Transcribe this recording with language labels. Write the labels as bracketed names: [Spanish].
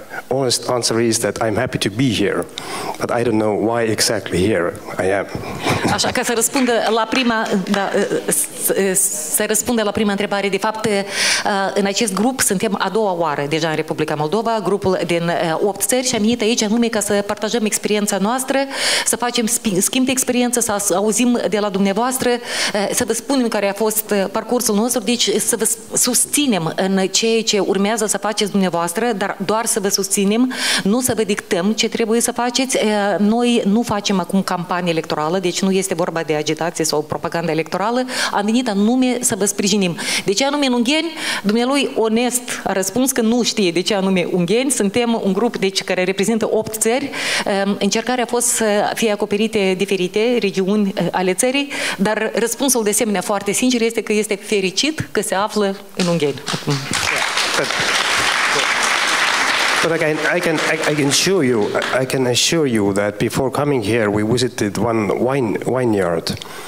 [English] honest answer is that I'm happy to be here, but I don't know why exactly here I am. [Romanian] Așa, ca să răspundă la prima, da, să răspundă la prima întrebare, de fapt, în acest grup suntem a doua oară deja în Republica Moldova, grupul din 8 țări, și am venit aici anume ca să partajăm experiența noastră, să facem schimb de experiență, să auzim de la dumneavoastră, să vă spunem care a fost parcursul nostru, deci să vă susținem în ceea ce urmează să faceți dumneavoastră, dar doar să vă susținem, nu să vă dictăm ce trebuie să faceți. Noi nu facem acum campanie electorală, deci nu este vorba de agitație sau propagandă electorală. Am venit anume să vă sprijinim. De ce anume în Ungheni? Dumnealui onest a răspuns că nu știe de ce anume Ungheni. Suntem un grup deci, care reprezintă 8 țări. Încercarea a fost să fie acoperite diferite regiuni ale țării, dar răspunsul de asemenea foarte sincer este că este fericit că se află în Ungheni. Acum. [English] But again, I can assure you that before coming here, we visited one wineyard.